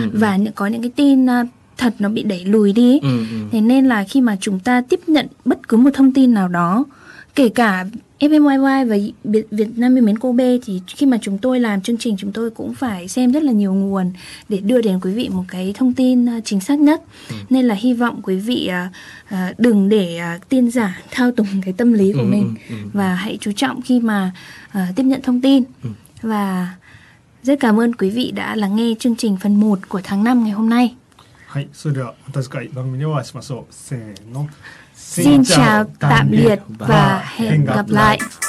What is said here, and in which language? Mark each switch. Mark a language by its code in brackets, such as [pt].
[vi] Và có những cái tin thật nó bị đẩy lùi đi. Thế nên là khi mà chúng ta tiếp nhận bất cứ một thông tin nào đó, kể cả FMYY và Việt Nam Yêu Mến Kobe, thì khi mà chúng tôi làm chương trình chúng tôi cũng phải xem rất là nhiều nguồn để đưa đến quý vị một cái thông tin chính xác nhất. Nên là hy vọng quý vị đừng để tin giả thao túng cái tâm lý của mình và hãy chú trọng khi mà tiếp nhận thông tin. Và rất cảm ơn quý vị đã lắng nghe chương trình phần 1 của tháng 5 ngày hôm nay. [ja] はい、それではまた次回番組でお会いしましょう。せーの、 [vi] Xin chào tạm biệt và hẹn gặp lại.